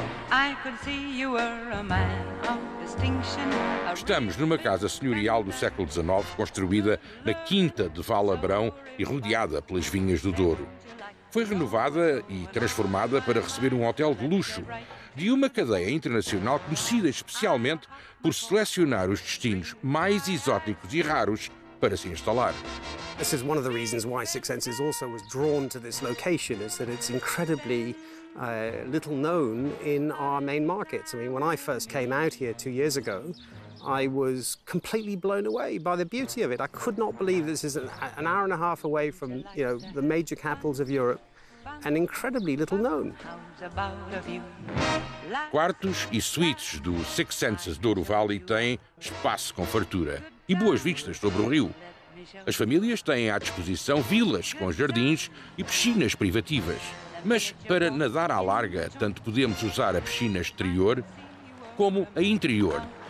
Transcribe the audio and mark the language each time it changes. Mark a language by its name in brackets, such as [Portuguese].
[English] I could see you were a man of distinction. [Portuguese] Estamos numa casa senhorial do século XIX, construída na Quinta de Val Abrão e rodeada pelas vinhas do Douro. Foi renovada e transformada para receber um hotel de luxo de uma cadeia internacional conhecida especialmente por selecionar os destinos mais exóticos e raros para se instalar. [English] This is one of the reasons why Six Senses also was drawn to this location, is that it's incredibly little known in our main markets. I mean, when I first came out here 2 years ago, I was completely blown away by the beauty of it. I could not believe this is an hour and a half away from, you know, the major capitals of Europe, and incredibly little known. [Portuguese] Quartos e suítes do Six Senses Douro Valley têm espaço com fartura e boas vistas sobre o rio. As famílias têm à disposição vilas com jardins e piscinas privativas. Mas para nadar à larga, tanto podemos usar a piscina exterior como a interior.